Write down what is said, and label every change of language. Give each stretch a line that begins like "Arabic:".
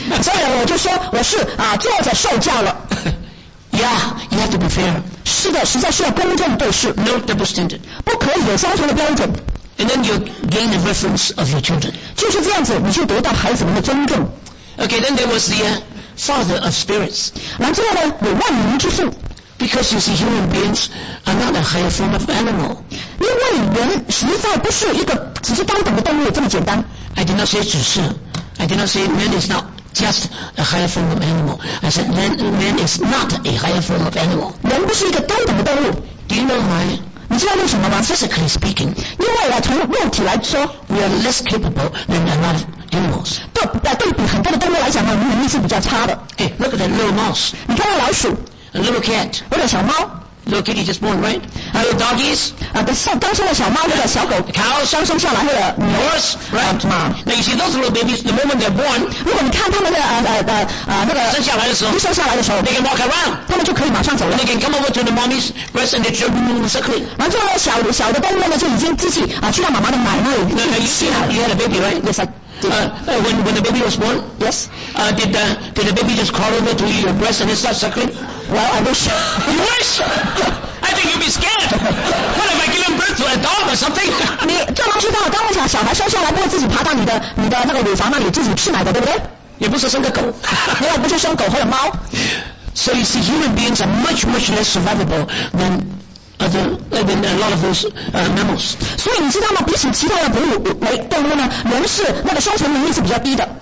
Chinese: 所以我就说我是坐着受教了。
English: Yeah, you have to be fair.
Chinese: 是的，实在是要公正对事。
English: No double standard.
Chinese: 不可以有双重的标准。
English: And then you gain the reverence of your children.
Chinese: 就是这样子，你就得到孩子们的尊重。
English: Okay, then there was the father of spirits.
Chinese: 然后呢，有万灵之父。
English: Because you see, human beings are not a higher form of animal.
Chinese: 因为人实在不是一个只是高等的动物这么简单。
English: I did not say
Chinese: 只是
English: I did not say man is not just a higher form of animal. I said man is not a higher form of animal.
Chinese: 人不是一个高等的动物。
English: Do you know why?
Chinese: 你知道为什么吗
English: ？Physically speaking,
Chinese: 因为从肉体来说
English: ，we are less capable than a lot of animals.
Chinese: 对比很多的动物来讲呢，我们能力是比较差的。
English: Hey, look at that little mouse.
Chinese: 你看那老鼠
English: ，a little cat.
Chinese: 或者小猫。
English: Little kitty just born, right? Little doggies.
Chinese: 刚生的小猫或者小狗。
English: Cow.
Chinese: 刚生下来的牛。
English: Horse, right?
Chinese: 马。
English: Now you see those little babies, the moment they're born.
Chinese: 如果你看他们的生下来的时候。生下来的时候。
English: They can walk around.
Chinese: 他们就可以马上走了。
English: They can come over to the mommy's breast and they're jumping circling.
Chinese: 然后小的动物呢就已经自己去到妈妈的奶那里。
English: You had a baby, right? Yes, I did. When the baby was born? Yes. Did the baby just crawl over to your breast and start circling? Well, I wish. You wish? I think you'd be scared. What if I give him birth to a dog or something?
Chinese: 你这么知道，当我想小孩生下来不会自己爬到你的那个乳房那里自己吃奶的，对不对？也不是生个狗，你要不就生狗或者猫。
English: So you see, human beings are much, much less survivable than other more than a lot of those mammals.
Chinese: 所以你知道吗？比起其他的哺乳类动物呢，龙是那个生存能力是比较低的。